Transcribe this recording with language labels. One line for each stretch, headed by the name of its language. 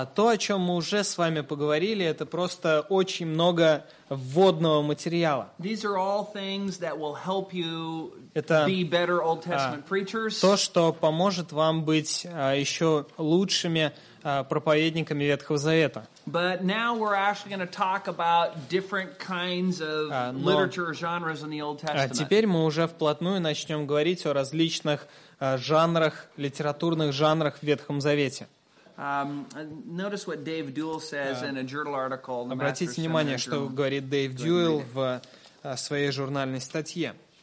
Russian: То, о чем мы уже с вами поговорили, это просто очень много вводного материала.
English: These are all things that will help you be better Old Testament preachers.
Russian: То, что поможет вам быть еще лучшими проповедниками Ветхого Завета.
English: But now we're actually going to talk about different kinds of literature genres in the Old Testament.
Russian: Теперь мы уже вплотную начнем говорить о различных жанрах, литературных жанрах в Ветхом Завете.
English: Notice what Dave Duell says in a journal article.
Russian: Обратите внимание, что говорит Дэйв Дюэлл в своей журнальной статье.